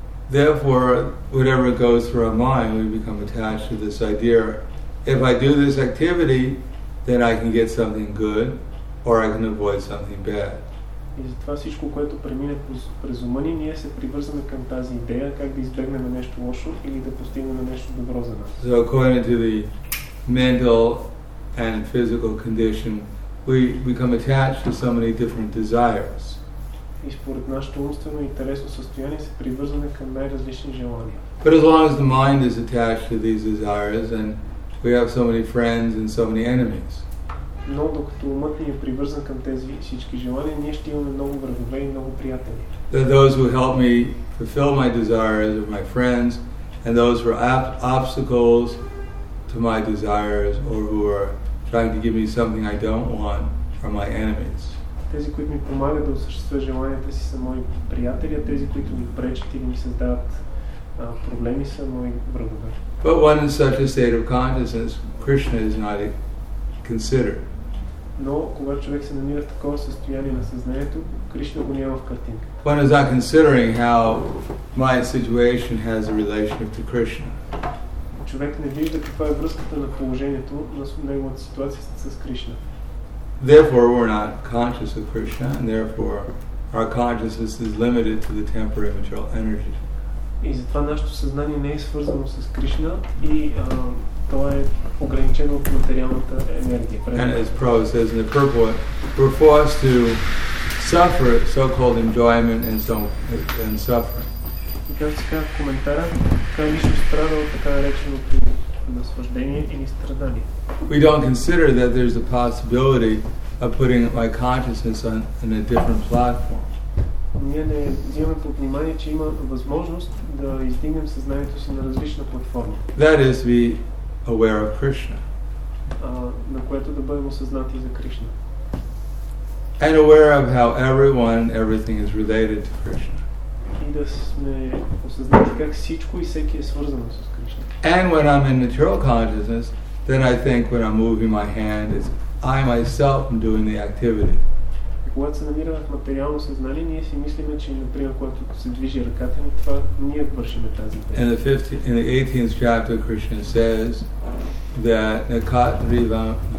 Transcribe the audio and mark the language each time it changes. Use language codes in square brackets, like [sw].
[en] Therefore, whatever goes through our mind, we become attached to this idea. If I do this activity, then I can get something good, or I can avoid something bad. [bg] И затова всичко, което премине през ума ни, ние се привързваме към тази идея, как да избегнем нещо лошо или да постигнем нещо добро за нас. [en] So according to the mental and physical condition, we become attached to so many different desires. [bg] И според нашето умствено и телесно състояние се привързваме към най-различни желания. [en] But as long as the mind is attached to these desires, and we have so many friends and so many enemies. [bg] Но докато умът ни е привързан към тези всички желания, ние ще имаме много врагове и много приятели. [en] Those who help me fulfill my desires are my friends, and those who are obstacles to my desires or who are trying to give me something I don't want are my enemies. [bg] Тези, които ми помагат да осъществя желанията си, са мои приятели, а тези, които ми пречат или ми създават проблеми, са мои врагове. [en] But one in such a state of consciousness, Krishna is not considered. [bg] Но когато човек се намира в такова състояние на съзнанието, Кришна го няма в картинка. [en] One is not considering how my situation has a relationship to Krishna. [bg] Човек не вижда каква е връзката на положението на неговата ситуация с Кришна. [en] Therefore, we're not conscious of Krishna, and therefore, our consciousness is limited to the temporary material energy. [bg] И затова нашето съзнание не е свързано с Кришна и то е ограничено от материалната енергия. [en] And as Prabhupada says in the Purport, we're forced to suffer so-called enjoyment and suffering. [bg] И както се казва в коментара, Кришна страда от така нареченото наслаждение или страдание. [en] We don't consider that there's a possibility of putting my consciousness on in a different platform. [bg] Ние не взимаме под внимание, че има възможност да издигнем съзнанието си на различна платформа. [en] That is to be aware of Krishna. [bg] На което да бъдем осъзнати за Кришна. [en] And aware of how everyone and everything is related to Krishna. [bg] И да сме осъзнати как всичко и всеки е свързано с Кришна. [en] And when I'm in material consciousness, then I think when I'm moving my hand, it's I myself am doing the activity. [bg] Когато се намираме в материално съзнание, ние си мислиме, че например, когато се движи ръката ни, това ние вършим тази дейност. [en] In the 15th, in the 18th chapter, Krishna says that Nakatriva 18.